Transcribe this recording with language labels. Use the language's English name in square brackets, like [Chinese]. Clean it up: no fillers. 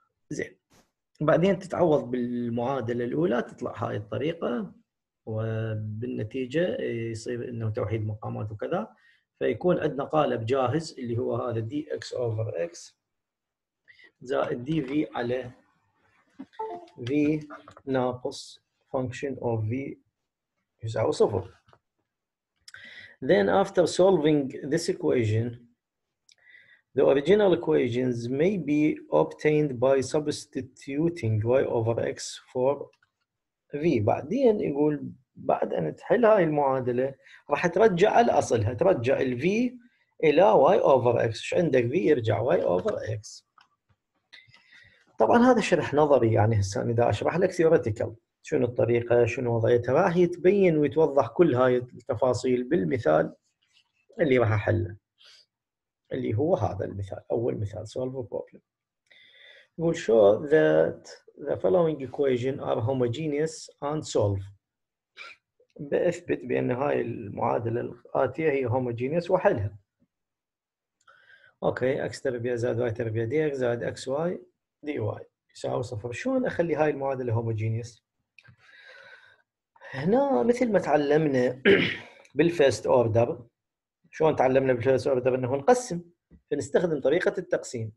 [Arabic] زين، بعدين تتعوض بالمعادلة الأولى تطلع هاي الطريقة، وبالنتيجة يصير انه توحيد مقامات وكذا، فيكون عندنا قالب جاهز اللي هو هذا dx over x زائد dv على v ناقص function of v يساوي صفر. [English] Then after solving this equation, the original equations may be obtained by substituting y over x for v. [Arabic] بعدين يقول بعد أن تحل هاي المعادلة راح ترجع لأصلها، ترجع الـ V إيه لا واي اوفر اكس، ايش عندك في يرجع واي اوفر اكس. طبعا هذا شرح نظري، يعني هسه انا اذا اشرح لك ثيوريتيكال شنو الطريقه شنو وضعيتها راح يتبين ويتوضح كل هاي التفاصيل بالمثال اللي راح احله، اللي هو هذا المثال، اول مثال [English] solve a problem. We'll show that the following equation are homogeneous and solve. [Arabic] بأثبت بأن هاي المعادلة الآتية هي homogeneous وحلها. [English] Okay, [Arabic] x تربيع زاد y تربيع dx زاد xy dy يساوي صفر. شلون أخلي هاي المعادلة homogeneous؟ هنا مثل ما تعلمنا بالفيرست أوردر، شلون تعلمنا بالفيرست أوردر؟ أنه نقسم، فنستخدم طريقة التقسيم.